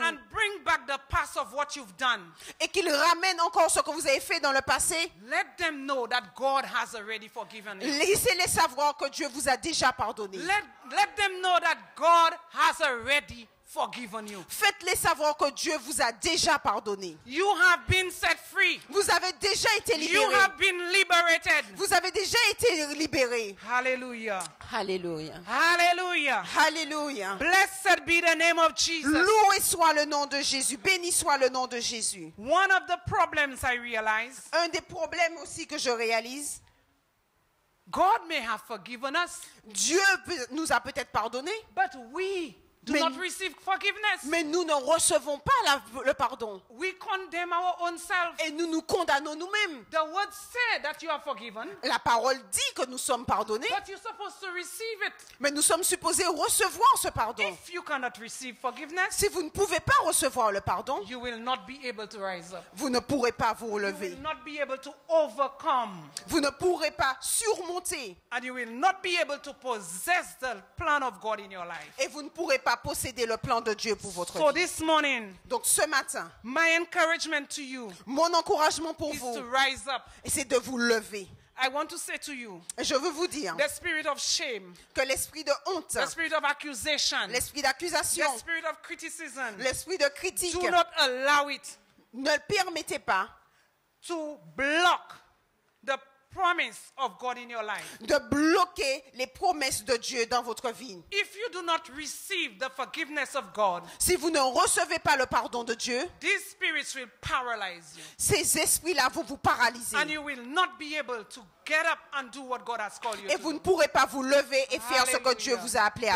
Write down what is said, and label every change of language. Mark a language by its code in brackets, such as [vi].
[en] and bring back the past of what you've done, [fr] et qu'ils ramènent encore ce que vous avez fait dans le passé, [en] let them know that God has already forgiven you. [fr] Laissez-les savoir que Dieu vous a déjà pardonné. [en] Let them know that God has already forgiven you. [fr] Faites-les savoir que Dieu vous a déjà pardonné. [en] You have been set free. [fr] Vous avez déjà été libéré. [en] You have been liberated. [fr] Vous avez déjà été libéré. Hallelujah. Hallelujah. Hallelujah. Hallelujah. [en] Blessed be the name of Jesus. [fr] Loué soit le nom de Jésus. Béni soit le nom de Jésus. [en] One of the problems I realize. [fr] Un des problèmes aussi que je réalise. [en] God may have forgiven us. [fr] Dieu nous a peut-être pardonné. [en] But we do not receive forgiveness. [fr] Mais nous ne recevons pas le pardon. [en] We condemn our own self. [fr] Et nous nous condamnons nous-mêmes. [en] The word says that you are forgiven. [fr] La parole dit que nous sommes pardonnés. [en] But you're supposed to receive it. [fr] Mais nous sommes supposés recevoir ce pardon. [en] If you cannot receive forgiveness, [fr] si vous ne pouvez pas recevoir le pardon, [en] you will not be able to rise up. [fr] Vous ne pourrez pas vous relever. [en] You will not be able to overcome. [fr] Vous ne pourrez pas surmonter. [en] And you will not be able to possess the plan of God in your life. [fr] Et vous ne pourrez pas posséder le plan de Dieu pour votre [en] so [fr] vie. [en] This morning, [fr] donc ce matin, [en] my encouragement to you, [fr] mon encouragement pour [en] is [fr] vous, [en] to rise up. [fr] Et c'est de vous lever. [en] I want to say to you, [fr] je veux vous dire, [en] the spirit of shame, [fr] que l'esprit de honte, [en] the spirit of accusation, [fr] l'esprit d'accusation, [en] the spirit of criticism, [fr] l'esprit de critique, [en] do not allow it, [fr] ne le permettez pas, [en] to block the promise of God in your life. [fr] De bloquer les promesses de Dieu dans votre vie. [en] If you do not receive the forgiveness of God, [fr] si vous ne recevez pas le pardon de Dieu, [en] these spirits will paralyze you. [fr] Ces esprits-là vont vous paralyser. [en] And you will not be able to get up and do what God has called you [fr] et [en] to. [fr] Vous ne pourrez pas vous lever et faire ce que Dieu vous a appelé à